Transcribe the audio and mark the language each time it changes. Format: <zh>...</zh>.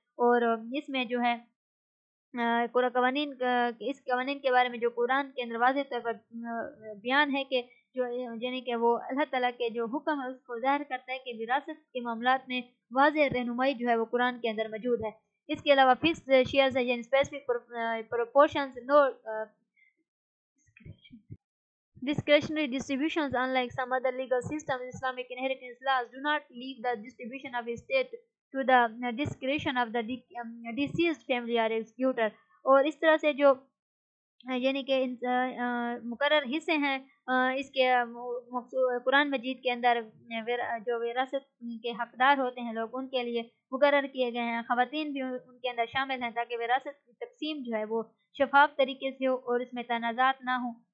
<ur>اور اس میں جو ہے قرآن قوانین اس قوانین کے بارے میں جو قرآن کے اندر واضح طور پر بیان ہے کہ جو یعنی کہ وہ اللہ تعالیٰ کے جو حکم ہے اس کو ظاہر کرتا ہے کہ وراثت کے معاملات میں واضح رہنمائی جو ہے وہ قرآن کے اندر موجود ہے. اس کے علاوہ فکسڈ شیئرز ہیں یعنی specific proportions</ur> <en>No discretionary distributions unlike some other legal systems Islamic inheritance laws do not leave the distribution of estate to the discretion of the deceased family or executor.</en> <ur>اور اس طرح سے جو یعنی کہ مقرر حصے ہیں اس کے قرآن مجید کے اندر جو وراثت کے حقدار ہوتے ہیں لوگ ان کے لیے مقرر کیے گئے ہیں, خواتین بھی ان کے اندر شامل ہیں تاکہ وراثت کی تقسیم جو ہے وہ شفاف طریقے سے ہو اور اس میں تنازعات نہ ہوں.</ur>